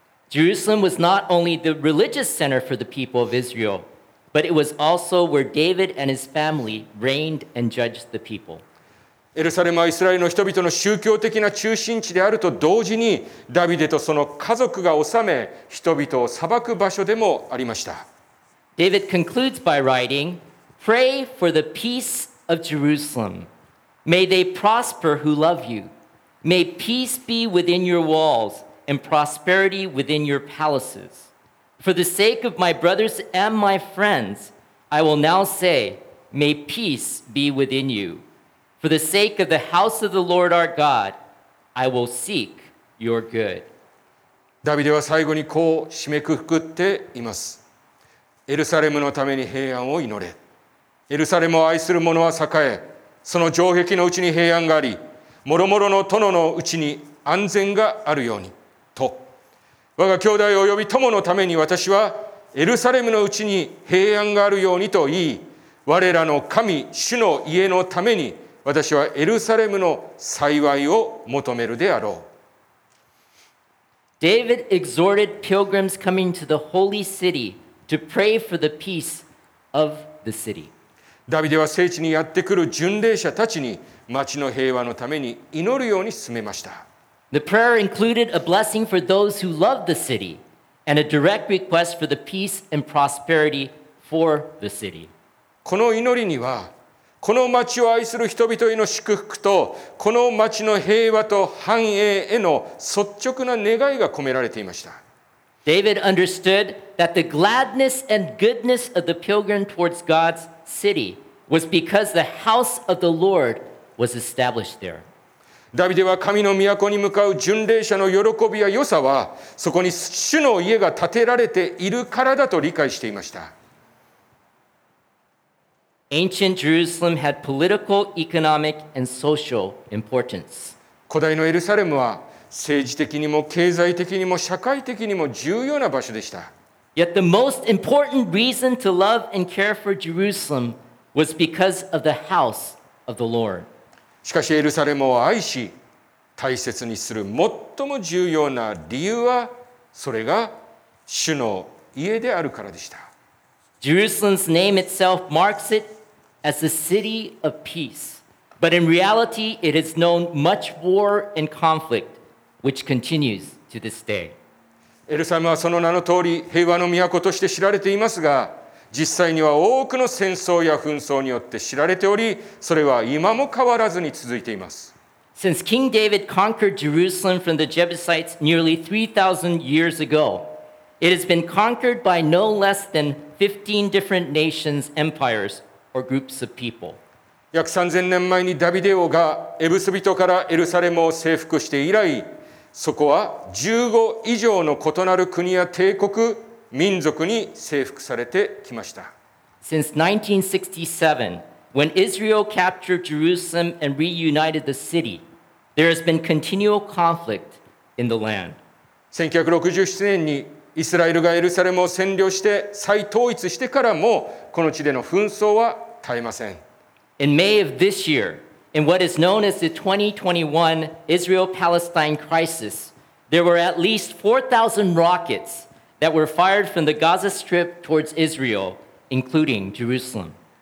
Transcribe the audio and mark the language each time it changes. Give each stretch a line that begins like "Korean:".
English: Jerusalem was not only the religious center for the people of Israel, but it was also where David and his family reigned and judged the people.
Japanese: エルサレムはイスラエルの人々の宗教的な中心地であると同時に、ダビデとその家族が治め、人々を裁く場所でもありました。
English: David concludes by writing, Pray for the peace of Jerusalem. May they prosper who love you. May peace be within your walls. And prosperity within your palaces. For the sake of my brothers and my friends, I will now say, May peace be within you. For the sake of the house of the Lord our God, I will seek your good.
Japanese: ダビデは最後にこう締めくくっています。エルサレムのために平安を祈れ。エルサレムを愛する者は栄え、その城壁のうちに平安があり、もろもろの殿のうちに安全があるように。我が兄弟及び友のために私はエルサレムのうちに平安があるようにと言い、我らの神主の家のために私はエルサレムの幸いを求めるであろう。
English: David exhorted pilgrims coming to the holy city to pray for the peace of the city.
Japanese: ダビデは聖地にやってくる巡礼者たちに町の平和のために祈るように勧めました。
English: The prayer included a blessing for those who loved the city and a direct request for the peace and prosperity for the city.
Japanese: この祈りにはこの町を愛する人々への祝福とこの町の平和と繁栄への率直な願いが込められていました。
English: David understood that the gladness and goodness of the pilgrim towards God's city was because the house of the Lord was established there.
Japanese: ダビデは神の都に向かう巡礼者の喜びや良さはそこに主の家が建てられているからだと理解していました。
English: Ancient Jerusalem had political, economic, and social importance.
Japanese: 古代のエルサレムは政治的にも経済的にも社会的にも重要な場所でした。
English: Yet the most important reason to love and care for Jerusalem was because of the house of the Lord.
Japanese: しかしエルサレムを愛し大切にする最も重要な理由はそれが主の家であるからでした。
English: Jerusalem's name itself marks it as the city of peace. But in reality, it is known much war and conflict, which continues to this day.
Japanese: エルサレムはその名の通り平和の都として知られていますが、実際には多くの戦争や紛争によって知られており、それは今も変わらずに続いています。
English: Since King David conquered Jerusalem from the Jebusites nearly 3,000 years ago,It has been conquered by no less than 15 different nations, empires, or groups of people.
Japanese: 約3000年前にダビデ王がエブス人からエルサレムを征服して以来、そこは15以上の異なる国や帝国、民族に征服されてきました。
English: Since 1967, when Israel captured Jerusalem and reunited the city, there has been continual conflict in the land.
Japanese: 1967年にイスラエルがエルサレムを占領して再統一してからもこの地での紛争は絶えません。
English: In May of this year, in what is known as the 2021 Israel-Palestine crisis, there were at least 4,000 rockets that were fired from the Gaza Strip towards Israel, including Jerusalem.